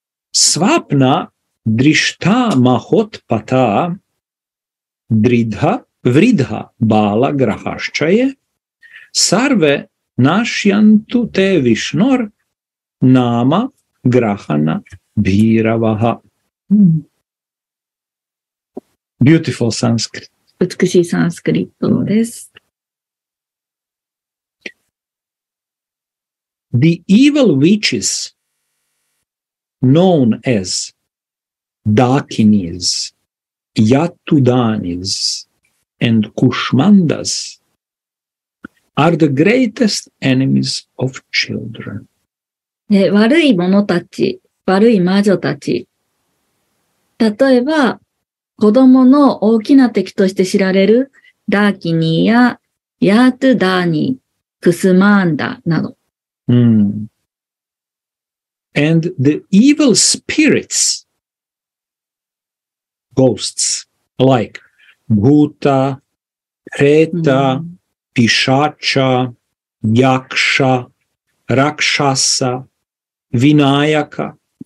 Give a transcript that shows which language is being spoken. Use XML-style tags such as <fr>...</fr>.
<sa>svapna,Drishta mahot pata dridha vridha bala grahaschaye sarve nashyantu te vishnor nama grahana bhiravaha.</sa> <en>Beautiful Sanskrit.</en> <ja>美しいサンスクリットです。</ja> <en>The evil witches known as Dakinis, Yatudanis, and Kushmandas are the greatest enemies of children.</en> <ja>悪い者たち、悪い魔女たち。例えば、子供の大きな敵として知られるダーキニーやヤートゥダーニー、クスマンダなど。</ja> <en>Mm. And the evil spirits, ghosts, like Bhuta, Preta, Pishacha, Yaksha, Rakshasa, Vinayaka.</en>